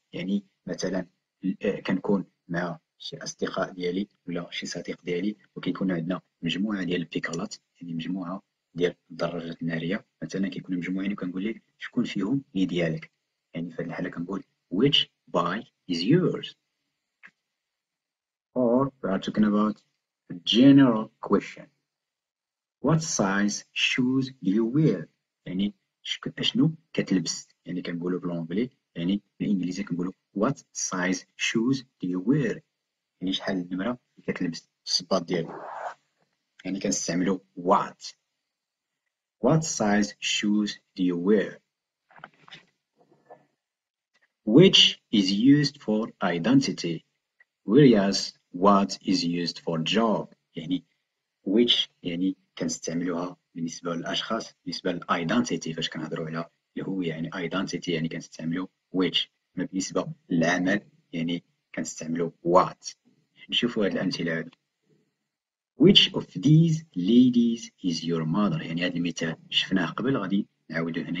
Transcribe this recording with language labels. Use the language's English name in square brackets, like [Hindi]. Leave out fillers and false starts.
[Arabic] يعني مثلا كنكون مع شي اصدقاء ديالي ولا شي صديق ديالي، وكيكون عندنا مجموعه ديال البيكالات، يعني مجموعه ديال الدراجات الناريه مثلا، كيكونوا مجموعين، وكنقول ليه شكون فيهم هي ديالك. يعني في هذه الحاله كنقول [English] which bike is yours. Or we are talking about a general question. What size shoes do you wear? [Arabic] يعني اشنو كتلبس؟ يعني كنقولوا بالانجلي، يعني بالانجليزي كنقولوا [English] what size shoes do you wear؟ [Arabic] يعني شحال النمرة اللي كتلبس الصباط ديالك؟ يعني كنستعملوا what. [English] What size shoes do you wear? Which is used for identity, whereas what is used for job. [Arabic] يعني which يعني كنستعملوها بالنسبة للأشخاص، بالنسبة للidentity فاش كنهضروا على الهوية، يعني identity يعني كنستعملوا which، بالنسبة للعمل يعني كنستعملوا what. نشوفوا هذه الأمثلة. [English] Which of these ladies is your mother؟ [Arabic] يعني هذا المثال شفناه قبل، غادي نعاودو هنا.